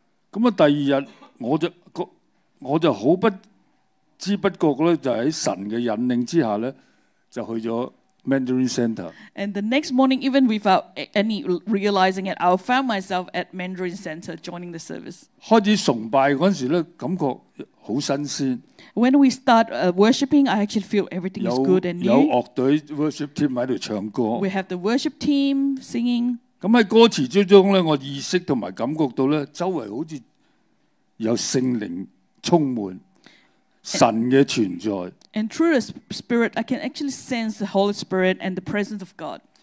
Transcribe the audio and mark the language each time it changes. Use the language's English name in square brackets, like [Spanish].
[Cantonese] 咁啊，第二日我就好不知不覺咧，就喺神嘅引領之下咧，就去咗 Mandarin Center. [English] And the next morning, even without any realizing it, I found myself at Mandarin Center joining the service. [Cantonese] 開始崇拜嗰陣時咧，感覺好新鮮。 [English] When we start worshiping, I actually feel everything is good and new. [Cantonese] 有樂隊 [English] worship team [Cantonese] 喺度唱歌。 [English] We have the worship team singing. [Cantonese] 咁喺歌詞之中咧，我意識同埋感覺到咧，周圍好似有聖靈充滿神嘅存在。 [English] And through the Spirit, I can actually sense the Holy Spirit and the presence of God.